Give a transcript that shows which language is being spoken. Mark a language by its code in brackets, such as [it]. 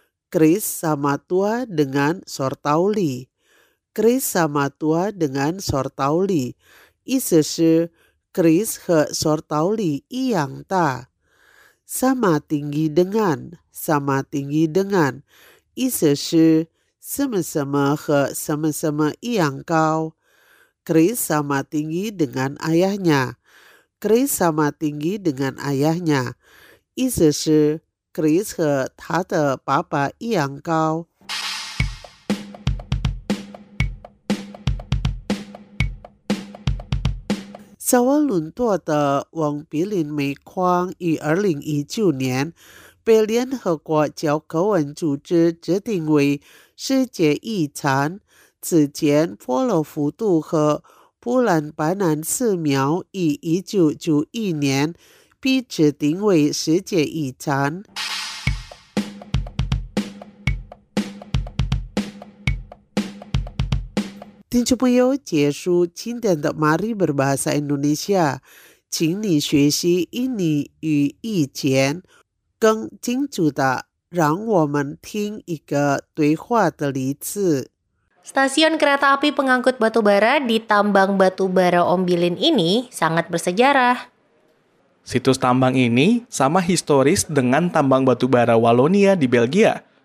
[id] Chris sama tua dengan Sortauli， Chris sama tua dengan Sortauli， [zh] 意思是Chris 和 Sortauli 一样大。 [id] Sama tinggi dengan， [zh] 意思是什么什么和什么什么一样高。 [id] Chris sama tinggi dengan ayahnya， Chris sama tinggi dengan ayahnya， [zh] 意思是 Chris 和他的爸爸一样高。萨瓦伦多的王比林煤矿于2019年被联合国教科文组织指定为世界遗产。此前波罗浮屠和布兰白兰寺庙于1991年被指定为世界遗产。听众朋友，结束今天的 Mari Berbahasa Indonesia， 请你学习印尼语意见，更清楚的让我们听一个对话的例子。 [id] Stasiun kereta api pengangkut batubara di tambang batubara Ombilin ini sangat bersejarah. Situs tambang ini sama historis dengan tambang batubara Walonia di Belgia.